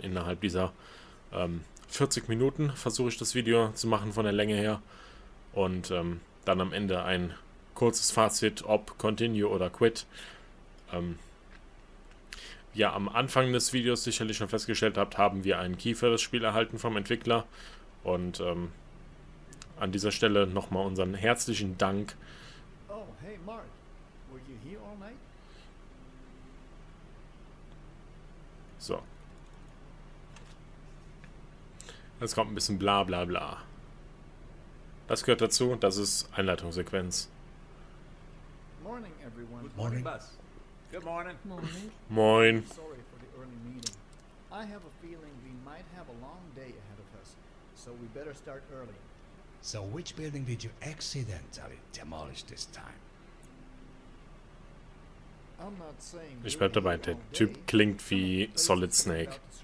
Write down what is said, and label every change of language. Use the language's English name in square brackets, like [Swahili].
[German] Innerhalb dieser 40 Minuten versuche ich das Video zu machen von der Länge her und dann am Ende ein kurzes Fazit, ob Continue oder Quit. Ja, am Anfang des Videos sicherlich schon festgestellt habt, haben wir einen Key für das Spiel erhalten vom Entwickler und an dieser Stelle nochmal unseren herzlichen Dank. [English] Hey, Mark, were you here all night? [German] So. Jetzt kommt ein bisschen bla bla bla. Das gehört dazu, das ist Einleitungssequenz. [English] Morning, everyone. Good morning. Good morning. [German] Moin. [English] Sorry for the early meeting. I have a feeling we might have a long day ahead of us, so we better start early. So which building did you accidentally demolish this time? [German] Ich bleib dabei, der Typ klingt wie Solid Snake.